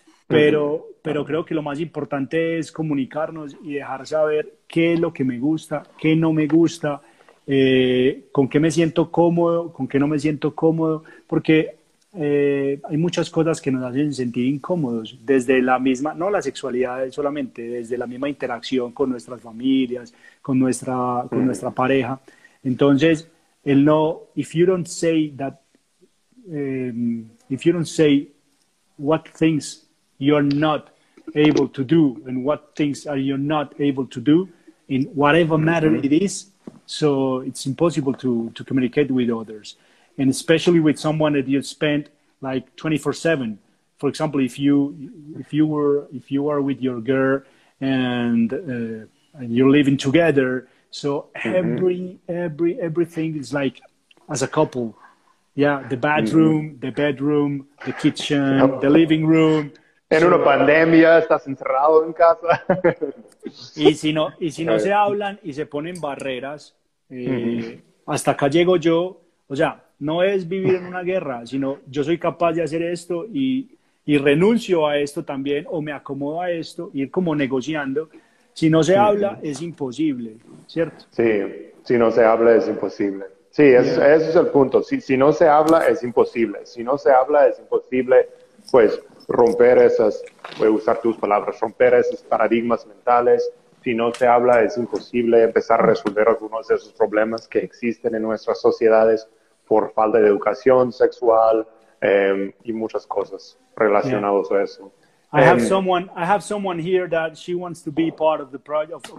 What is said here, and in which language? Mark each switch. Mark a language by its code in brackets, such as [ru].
[es] Pero creo que lo más importante es comunicarnos y dejar saber qué es lo que me gusta, qué no me gusta, con qué me siento cómodo, con qué no me siento cómodo. Porque hay muchas cosas que nos hacen sentir incómodos desde la misma, no la sexualidad solamente, desde la misma interacción con nuestras familias, con nuestra pareja. Entonces, el no, [en] if you don't say what things you're not able to do and what things are you not able to do in whatever matter it is, so it's impossible to communicate with others. And especially with someone that you spent like 24/7. For example, if you are with your girl and you're living together, so everything is like as a couple. Yeah, the bathroom, the bedroom, the kitchen, the living room. [es] En una pandemia, estás encerrado en casa. Y si no se hablan y se ponen barreras, hasta acá llego yo. O sea, no es vivir en una guerra, sino yo soy capaz de hacer esto y renuncio a esto también o me acomodo a esto, ir como negociando. Si no se habla, es imposible, ¿cierto? Sí, si no se habla, es imposible. Sí, ese es el punto. Si no se habla, es imposible. Si no se habla, es imposible, pues, romper esas, voy a usar tus palabras, romper esos paradigmas mentales. Si no se habla, es imposible empezar a resolver algunos de esos problemas que existen en nuestras sociedades por falta de educación sexual y muchas cosas relacionadas a eso. [en] I have someone here that she wants to be part of the project.